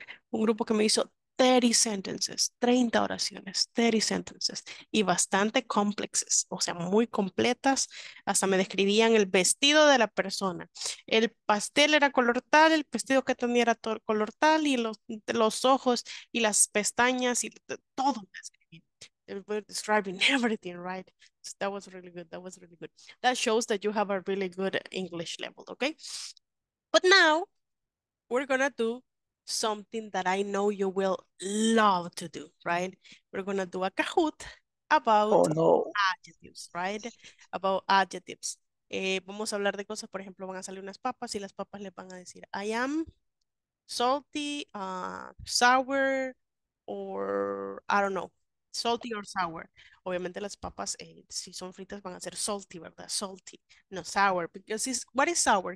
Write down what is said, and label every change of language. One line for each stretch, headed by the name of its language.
Spanish: Un grupo que me hizo 30 sentences, 30 oraciones, 30 sentences, y bastante complexes, o sea, muy completas, hasta me describían el vestido de la persona, el pastel era color tal, el vestido que tenía era todo color tal, y los ojos, y las pestañas, y todo.
English: They were describing everything, right? So that was really good, that was really good. That shows that you have a really good English level, okay? But now, we're gonna do something that I know you will love to do, right? We're gonna do a Kahoot about adjectives, right? About adjectives.
Spanish: Vamos a hablar de cosas, por ejemplo, van a salir unas papas y las papas les van a decir,
English: I am salty, sour, or I don't know, salty or sour.
Spanish: Obviamente las papas, si son fritas, van a ser salty, ¿verdad?
English: Salty, no sour, because it's, what is sour?